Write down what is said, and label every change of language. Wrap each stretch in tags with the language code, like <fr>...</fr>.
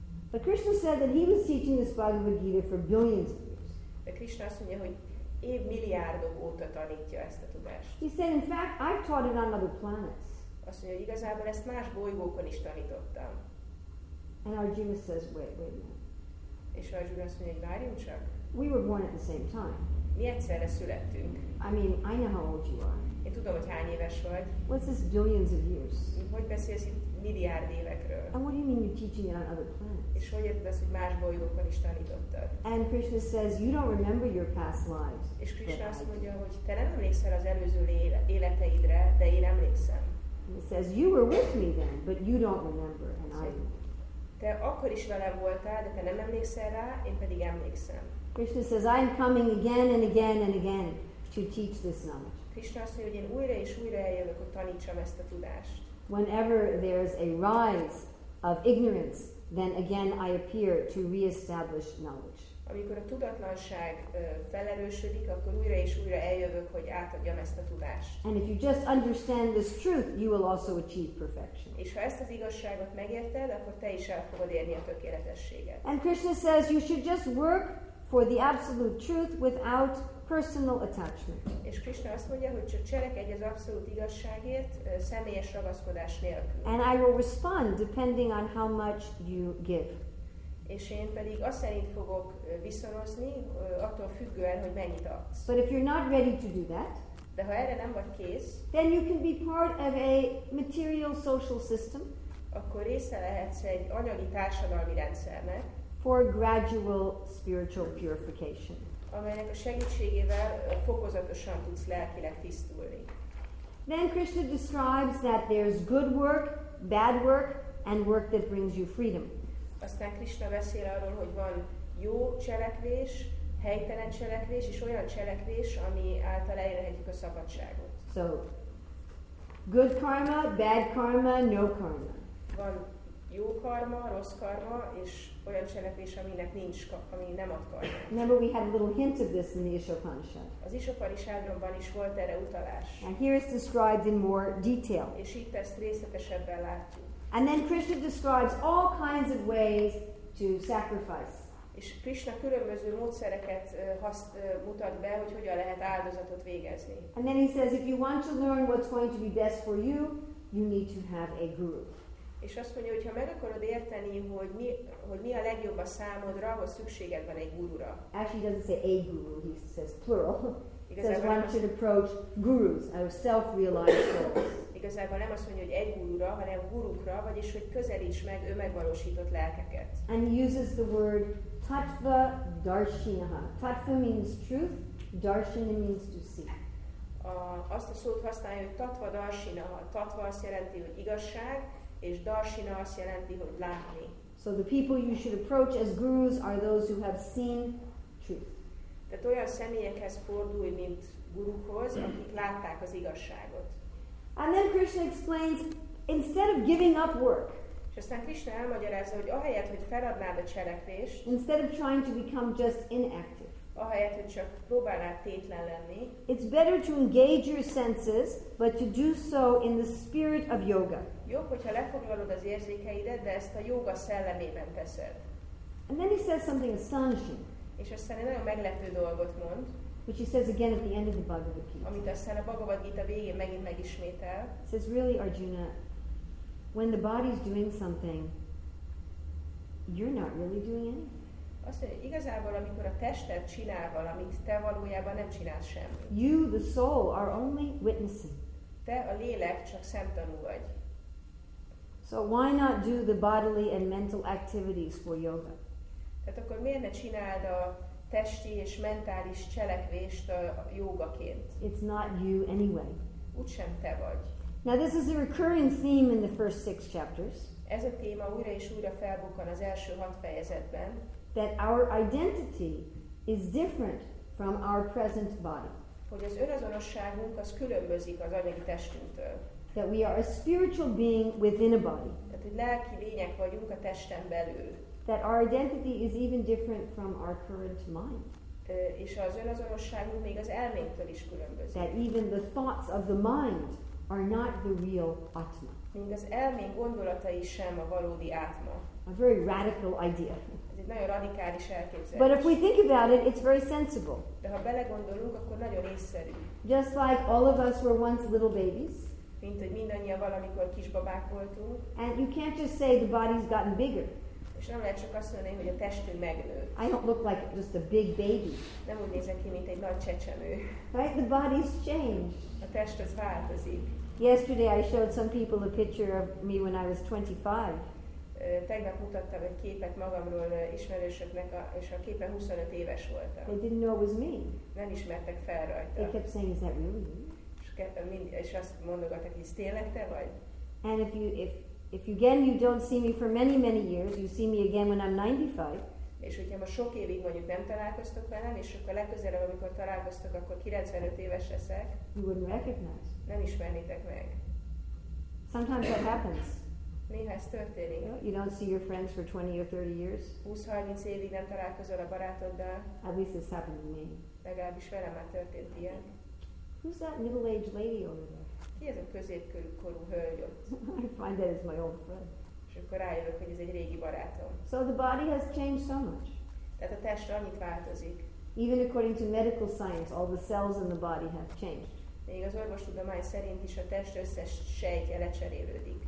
<en>But Krishna said that he was teaching this Bhagavad Gita for billions of years.</en> <hu>De Krishna azt mondja, hogy év milliárdok óta tanítja ezt a tudást.</hu> <en>He said, in fact, I've taught it on other planets.</en> <hu>Azt mondja, hogy igazából ezt más bolygókon is tanítottam.</hu> <en>And Arjuna says, wait a minute.</en> <hu>És Arjuna azt mondja, hogy várjunk csak.</hu> <en>We were born at the same time.</en> <hu>Mi egyszerre születtünk.</hu> <en>I mean, I know how old you are.</en> <hu>Én tudom, hogy hány éves vagy.</hu> <en>What's this billions of years?</en> <hu>Hogy beszélsz itt milliárd évekről?</hu> <en>And what do you mean you're teaching it on other planets?</en> <hu>És hogy érted azt, hogy más bolygókon is tanítottad?</hu> <en>And Krishna says, you don't remember your past lives.</en> <hu>És Krishna azt mondja, hogy te nem emlékszel az előző életeidre, de én emlékszem.</hu> <en>He says, you were with me then, but you don't remember, and I remember.</en> <hu>Te akkor is velem voltál, de te nem emlékszel rá, én pedig emlékszem.</hu> <en>Krishna says, I'm coming again and again and again to teach this knowledge.</en> <hu>Krishna azt mondja, hogy én újra és újra eljövök, hogy tanítsam ezt a tudást.</hu> <en>Whenever there's a rise of ignorance, then again I appear to re-establish knowledge.</en> <hu>Amikor a tudatlanság felerősödik, akkor újra és újra eljövök, hogy átadjam ezt a tudást.</hu> <en>And if you just understand this truth, you will also achieve perfection.</en> <hu>És ha ezt az igazságot megérted, akkor te is el fogod érni a tökéletességet.</hu> <en>And Krishna says, you should just work for the absolute truth without personal attachment.</en> <hu>És Krishna azt mondja, hogy csak cselekedj az abszolút igazságért, személyes ragaszkodás nélkül.</hu> <en>And I will respond depending on how much you give.</en> <hu>És én pedig azt szerint fogok viszonozni, attól függően, hogy mennyit adsz.</hu> <en>But if you're not ready to do that,</en> <hu>de ha erre nem vagy kész,</hu> <en>then you can be part of a material social system,</en> <hu>akkor része lehetsz egy anyagi társadalmi rendszernek,</hu> <en>for gradual spiritual purification.</en> <hu>Amelynek a segítségével fokozatosan tudsz lelkileg tisztulni.</hu> <en>Then Krishna describes that there's good work, bad work, and work that brings you freedom.</en> <hu>Aztán Krishna beszél arról, hogy van jó cselekvés, helytelen cselekvés, és olyan cselekvés, ami által elérhetjük a szabadságot.</hu> <en>So, good karma, bad karma, no karma.</en> <hu>Van jó karma, rossz karma, és olyan cselekvés, aminek nincs, ami nem ad karma.</hu> <en>Remember we had a little hint of this in the Isopanishad.</en> <hu>Az Isopanishadban is volt erre utalás.</hu> <en>And here it's described in more detail.</en> <hu>És itt ezt részletesebben látjuk.</hu> <en>And then Krishna describes all kinds of ways to sacrifice.</en> <hu>És Krishna különböző módszereket mutat be, hogy hogyan lehet áldozatot végezni.</hu> <en>And then he says, if you want to learn what's going to be best for you, you need to have a guru.</en> <hu>És azt mondja, hogy ha meg akarod érteni, hogy mi a legjobb a számodra, ahhoz szükséged van egy gurura.</hu> <en>Actually, he doesn't say a guru, he says plural.</en> <hu>Igazából</hu> <en>says one should approach gurus, a self-realized soul.</en> <hu>Igazából nem azt mondja, hogy egy gurura, hanem gurukra, vagyis hogy közelíts meg önmegvalósított lelkeket.</hu> <en>And he uses the word tattva darshinaha. Tattva means truth, darshina means to see.</en> <hu>Azt a szót használja, hogy tattva darshinaha. Tattva azt jelenti, hogy igazság, és darshina azt jelenti, hogy látni.</hu> <en>So the people you should approach as gurus are those who have seen truth.</en> <hu>Tehát olyan személyekhez fordulj, mint gurukhoz, akik látták az igazságot.</hu> <en>And then Krishna explains, instead of giving up work,</en> <hu>és aztán Krishna elmagyarázza, hogy ahelyett, hogy feladnád a cselekvést,</hu> <en>instead of trying to become just inactive,</en> <hu>ahelyett, hogy csak próbálnád tétlen lenni,</hu> <en>it's better to engage your senses, but to do so in the spirit of yoga.</en> <hu>Jobb, hogyha lefoglalod az érzékeidet, de ezt a jóga szellemében teszed.</hu> <en>And then he says something astonishing.</en> <hu>És aztán egy nagyon meglepő dolgot mond.</hu> <en>Which he says again at the end of the Bhagavad Gita.</en> <hu>Amit aztán a Bhagavad Gita végén megint megismétel.</hu> <en>Says, really, Arjuna, when the body's doing something, you're not really doing anything.</en> <hu>Azt mondja, igazából, amikor a tested csinál valamit, te valójában nem csinálsz semmit.</hu> <en>You, the soul, are only witnessing.</en> <hu>Te, a lélek, csak szemtanú vagy.</hu> <en>So why not do the bodily and mental activities for yoga?</en> <hu>Tehát akkor miért ne csináld a testi és mentális cselekvést a jógaként?</hu> <en>It's not you anyway.</en> <hu>Úgysem te vagy.</hu> <en>Now this is a recurring theme in the first six chapters.</en> <hu>Ez a téma újra és újra felbukkan az első hat fejezetben.</hu> <en>That our identity is different from our present body.</en> <hu>Hogy az önazonosságunk az különbözik az anyagi testünktől.</hu> <en>That we are a spiritual being within a body.</en> <hu>Tehát, hogy lelki lények vagyunk a testen belül.</hu> <en>That our identity is even different from our current mind.</en> <hu>És az önazonosságunk még az elménktől is különbözik.</hu> <en>That even the thoughts of the mind are not the real atma.</en> <hu>Még az elménk gondolatai sem a valódi átma.</hu> <en>A very radical idea.</en> <hu>Ez egy nagyon radikális elképzelés.</hu> <en>But if we think about it, it's very sensible.</en> <hu>De ha belegondolunk, akkor nagyon észszerű.</hu> <en>Just like all of us were once little babies.</en> <hu>Mint hogy mindannyian valamikor kisbabák voltunk.</hu> <en>And you can't just say the body's gotten bigger.</en> <hu>És nem lehet csak azt mondani, hogy a testünk megnőtt.</hu> <en>I don't look like just a big baby.</en> <hu>Nem úgy nézek ki, mint egy nagy csecsemő.</hu> <en>Right? The body's changed.</en> <hu>A test az változik.</hu> <en>Yesterday I showed some people a picture of me when I was 25.</en> <hu>Tegnap mutattam egy képet magamról ismerősöknek, és a képen 25 éves voltam.</hu> <en>They didn't know it was me.</en> <hu>Nem ismertek fel rajta.</hu> <en>They kept saying, is that really you?</en> <hu>És azt mondogatok, hogy tényleg te vagy?</hu> <en>And if you don't see me for many, many years, you see me again when I'm 95.</en> <hu>És hogyha most sok évig mondjuk nem találkoztok velem, és akkor legközelebb, amikor találkoztok, akkor 95 éves leszek.</hu> <en>You wouldn't recognize.</en> <hu>Nem ismernétek meg.</hu> <en>Sometimes that happens.</en> <hu>Néha ez történik.</hu> <en>You don't see your friends for 20 or 30 years.</en> <hu>20-30 évig nem találkozol a barátoddal.</hu> <en>At least this happened to me.</en> <hu>Legalábbis velem már történt ilyen.</hu> <en>Who's that middle-aged lady over there?</en> <hu>Ki ez a középkorú hölgy ott?</hu> <en>I find that is my old friend.</en> <hu>És akkor rájövök, hogy ez egy régi barátom.</hu> <en>So the body has changed so much.</en> <hu>Tehát a test annyit változik.</hu> <en>Even according to medical science, all the cells in the body have changed.</en> <hu>Még az orvostudomány szerint is a test összes sejtje lecserélődik.</hu>